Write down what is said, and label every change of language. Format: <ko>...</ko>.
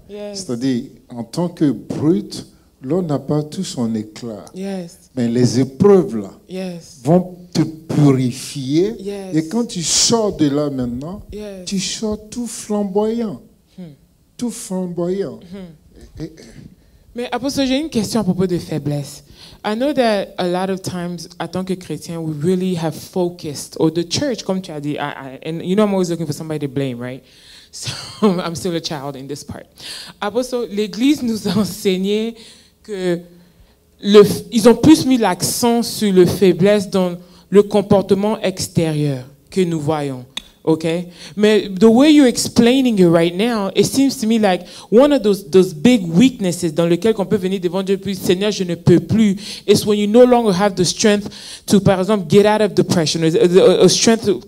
<fr>C'est-à-dire en tant que brut, l'or n'a pas tout son éclat.</fr> <en>Yes.</en> <fr>Mais les épreuves là vont te purifier et quand tu sors de là maintenant, tu sors tout flamboyant. Tout flamboyant. Mais apostle, j'ai une question à propos de faiblesse.</fr> <en>I know that a lot of times,</en> <fr>en tant que chrétien,</fr> <en>we really have focused, or the church,</en> <fr>comme tu as dit,</fr> <en>and you know I'm always looking for somebody to blame, right? So I'm still a child in this part.</en> <fr>Apostle, l'Église nous a enseigné que ils ont plus mis l'accent sur la faiblesse dans le comportement extérieur que nous voyons.</fr> <en>Okay, but the way you're explaining it right now, it seems to me like one of those big weaknesses</en> <fr>dans lequel qu'on peut venir devant Dieu, puis Seigneur, je ne peux plus,</fr> <en>is when you no longer have the strength to,</en> <fr>par exemple,</fr> <en>get out of depression, or strength.</en>